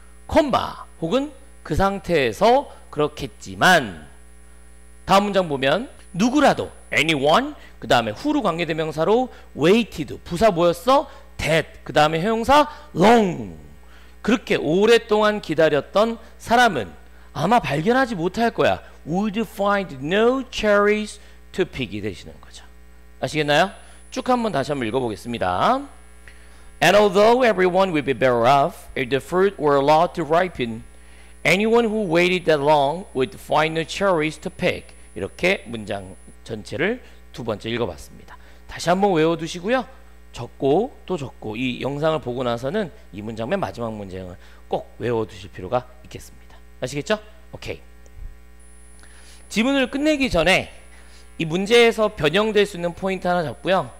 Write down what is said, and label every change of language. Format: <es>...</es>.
<ko>콤마. 혹은 그 상태에서 그렇겠지만 다음 문장 보면 누구라도 anyone 그 다음에 who로 관계대명사로 waited 부사 뭐였어? that 그 다음에 형용사 long 그렇게 오랫동안 기다렸던 사람은 아마 발견하지 못할 거야.</ko> <en>would find no cherries to pick</en> <ko>이 되시는 거죠. 아시겠나요? 쭉 한번 다시 한번 읽어보겠습니다.</ko> <en>And although everyone would be better off if the fruit were allowed to ripen, anyone who waited that long would find no cherries to pick.</en> <ko>이렇게 문장 전체를 두 번째 읽어봤습니다. 다시 한번 외워두시고요. 적고 또 적고 이 영상을 보고 나서는 이 문장 맨 마지막 문장을 꼭 외워두실 필요가 있겠습니다. 아시겠죠? 오케이. 지문을 끝내기 전에 이 문제에서 변형될 수 있는 포인트 하나 잡고요.</ko>